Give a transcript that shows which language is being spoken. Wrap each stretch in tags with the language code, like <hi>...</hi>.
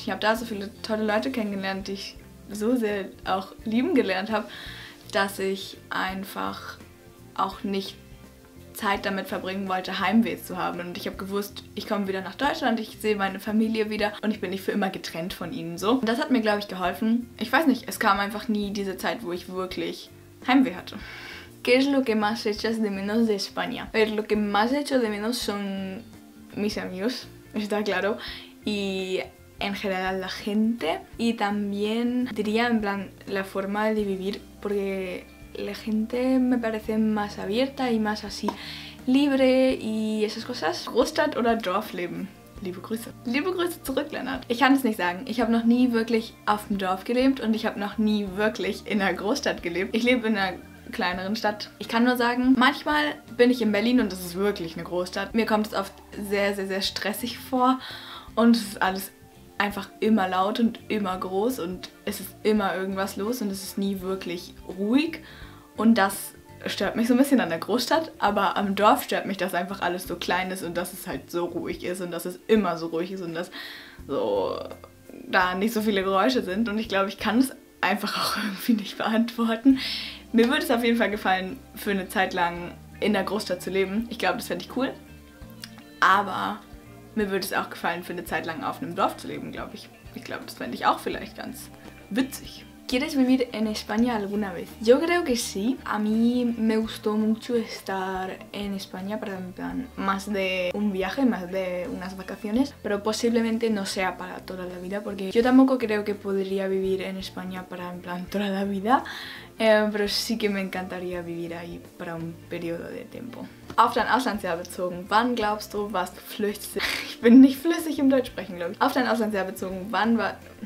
<de>Ich habe da so viele tolle Leute kennengelernt, die ich so sehr auch lieben gelernt habe, dass ich einfach auch nicht Zeit damit verbringen wollte, Heimweh zu haben. Und ich habe gewusst, ich komme wieder nach Deutschland, ich sehe meine Familie wieder und ich bin nicht für immer getrennt von ihnen so. Und das hat mir, glaube ich, geholfen. Ich weiß nicht, es kam einfach nie diese Zeit, wo ich wirklich Heimweh hatte.</de> <es>¿Qué es lo que más echas de menos de España? A ver, lo que más echo de menos son mis amigos, está claro, y en general la gente. Y también diría en plan la forma de vivir, porque la gente me parece más abierta y más así libre y esas cosas.</es> <de>Großstadt oder Dorfleben? Liebe Grüße. Liebe Grüße zurück, Lennart. Ich kann es nicht sagen. Ich habe noch nie wirklich auf dem Dorf gelebt und ich habe noch nie wirklich in einer Großstadt gelebt. Ich lebe in einer kleineren Stadt. Ich kann nur sagen, manchmal bin ich in Berlin und das ist wirklich eine Großstadt. Mir kommt es oft sehr, sehr, sehr stressig vor und es ist alles einfach immer laut und immer groß und es ist immer irgendwas los und es ist nie wirklich ruhig. Und das stört mich so ein bisschen an der Großstadt, aber am Dorf stört mich, dass einfach alles so klein ist und dass es halt so ruhig ist und dass es immer so ruhig ist und dass so da nicht so viele Geräusche sind. Und ich glaube, ich kann es einfach auch irgendwie nicht beantworten. Mir würde es auf jeden Fall gefallen, für eine Zeit lang in der Großstadt zu leben. Ich glaube, das fände ich cool. Aber mir würde es auch gefallen, für eine Zeit lang auf einem Dorf zu leben, glaube ich. Ich glaube, das fände ich auch vielleicht ganz witzig.</de> <es>¿Quieres vivir en España alguna vez? Yo creo que sí. A mí me gustó mucho estar en España para más de un viaje, más de unas vacaciones, pero posiblemente no sea para toda la vida, porque yo tampoco creo que podría vivir en España para toda la vida, pero sí que me encantaría vivir ahí para un periodo de tiempo.</es> <de>Auf dein Auslandsjahr bezogen. Wann glaubst du, warst du flüssig? Ich bin nicht flüssig im Deutsch sprechen, glaube ich. Auf dein Auslandsjahr bezogen. Wann war...</de>